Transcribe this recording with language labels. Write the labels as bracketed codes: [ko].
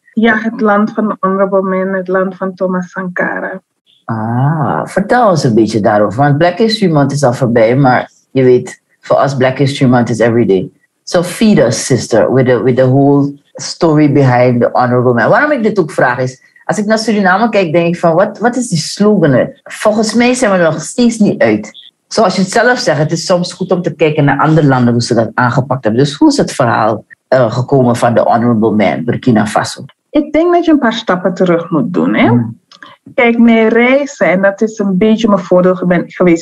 [nl] Ja, het land van de honorable man, het land van Thomas Sankara. Vertel eens een beetje daarover. Want Black History Month is al voorbij, maar je weet, voor ons Black History Month [en] is every day. So feed us, sister, with the whole story behind the honorable man. [nl] Waarom ik dit ook vraag is, als ik naar Suriname kijk, denk ik van, wat is die slogan? Volgens mij zijn we er nog steeds niet uit. Zoals je het zelf zegt, het is soms goed om te kijken naar andere landen, hoe ze dat aangepakt hebben. Dus hoe is het verhaal gekomen van de honorable man, Burkina Faso? Ik denk dat je een paar stappen terug moet doen, hè? Kijk, mijn reizen, en dat is een beetje mijn voordeel geweest.